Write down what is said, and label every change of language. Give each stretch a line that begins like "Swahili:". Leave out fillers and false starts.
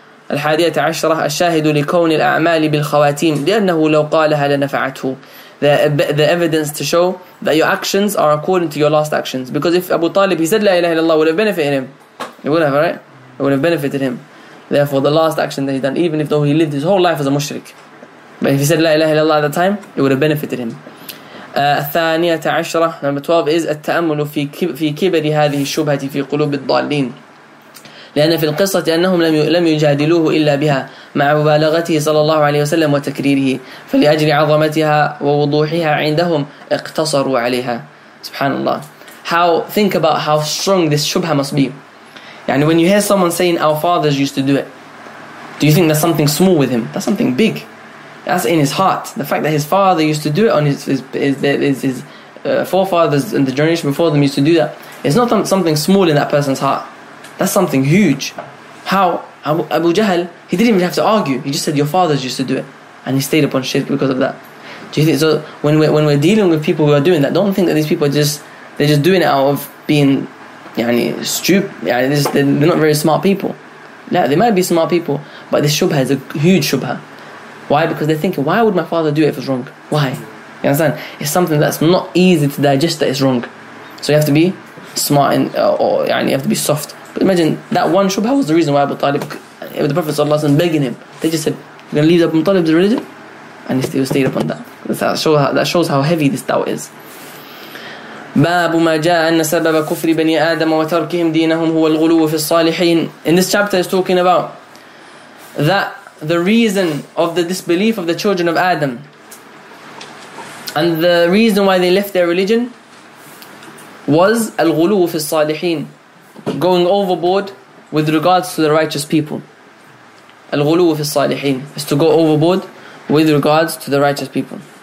Arabic: الحادية عشرة الشاهد لكون الأعمال بالخواتيم لأنه لو قالها لنفعته.
English: The evidence to show that your actions are according to your last actions. Because if Abu Talib, he said
Arabic: لا إله إلا الله,
English: would have benefited him. It would have, right? It would have benefited him. Therefore, the last action that he done, even if though he lived his whole life as a mushrik, but if he said
Arabic: La ilaha illallah
English: at the time, it would have benefited him.
Arabic: الثانية عشرة,
English: number 12 is
Arabic: التأمل في كبر هذه الشبهة في قلوب الضالين. لأن في القصة أنهم لم يجادلوه إلا بها مع مبالغته صلى الله عليه وسلم وتكريره فلأجل عظمتها ووضوحها عندهم اقتصروا عليها. سبحان الله.
English: Think about how strong this shubha must be. And when you hear someone saying our fathers used to do it, do you think that's something small with him? That's something big. That's in his heart. The fact that his father used to do it on his forefathers and the generation before them used to do that. It's not something small in that person's heart. That's something huge. How? Abu Jahl, he didn't even have to argue. He just said your fathers used to do it. And he stayed upon shirk because of that. Do you think so? When we're dealing with people who are doing that, don't think that these people are just doing it out of being they're not very smart people. Yeah, they might be smart people, but this shubha is a huge shubha. Why? Because they're thinking, why would my father do it if it's wrong? Why? You understand? It's something that's not easy to digest that it's wrong. So you have to be smart and you have to be soft. But imagine, that one shubha was the reason why Abu Talib, the Prophet sallallahu alaihi wasallam, begging him. They just said, you're going to leave Abu Talib's religion? And he still stayed upon that. That shows how heavy this doubt is.
Arabic: باب ما جاء أن سبب كفر بني آدم وتركهم دينهم هو الغلو في الصالحين.
English: In this chapter is talking about that the reason of the disbelief of the children of Adam and the reason why they left their religion was
Arabic: الغلو في الصالحين,
English: going overboard with regards to the righteous people.
Arabic: الغلو في الصالحين
English: is to go overboard with regards to the righteous people.